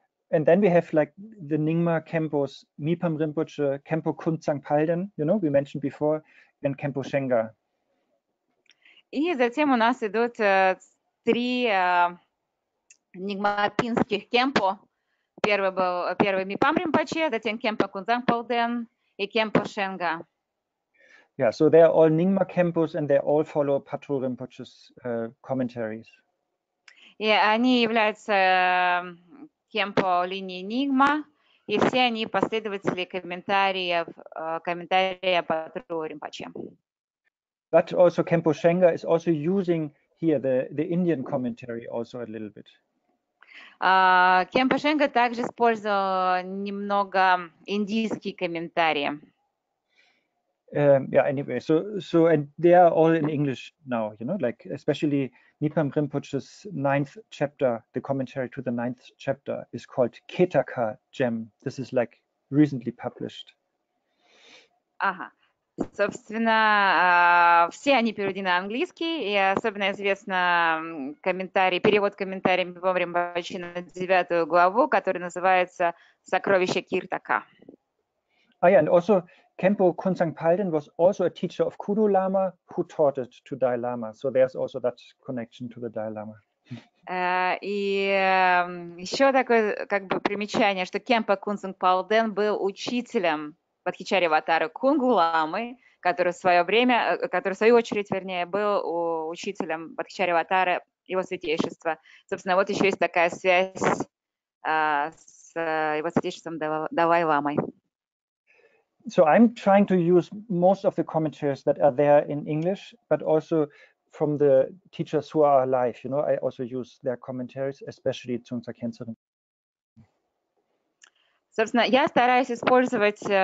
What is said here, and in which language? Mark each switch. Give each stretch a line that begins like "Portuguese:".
English: And then we have like the Nyingma Kempos, Mipham Rinpoche, Kempo Khunsang Palden, you know, we mentioned before, and Kempo Shenga.
Russian: И затем у нас идут три нигматинских кемпо. Первый Мипам Ринпоче, затем Кемпо Кунзанг Палден и Кемпо Шенга.
English: Yeah, so they are all Nyingma Kempos and they all follow Patro Rinpoche's commentaries.
Russian: И они являются кемпо линии Нигма, и все они последователи комментария Патру Ринпоче.
English: But also Kempo Shenga is also using here the Indian commentary also a little bit.
Russian: Кемпо Шенга также использовал немного индийские комментарии.
English: Yeah, anyway, so and they are all in English now, you know, like especially Nipam Rinpoche's ninth chapter, the commentary to the ninth chapter is called Ketaka Gem. This is like recently published.
Russian: Ага, собственно, все они переведены на английский, и особенно известно перевод комментария Нипам Ринпоче на девятую главу, который называется «Сокровище Киртака».
English: Ah, yeah, and also Kempo Khunsang Palden was also a teacher of Kudu Lama, who taught it to Dalai Lama. So there's also that connection to the Dalai Lama.
Russian: Еще такое как бы примечание, что Кемпо Кунсанг Палден был учителем Бодхичари Аватары Кунгу Ламы, который в свою очередь, был учителем Бодхичари Аватары его святейшества. Собственно, вот еще есть такая связь с его святейшеством Далай Ламой.
English: So I'm trying to use most of the commentaries that are there in English, but also from the teachers who are alive. You know, I also use their commentaries, especially Tsongtsa Khyentse Rinpoche.
Russian: Собственно, я стараюсь использовать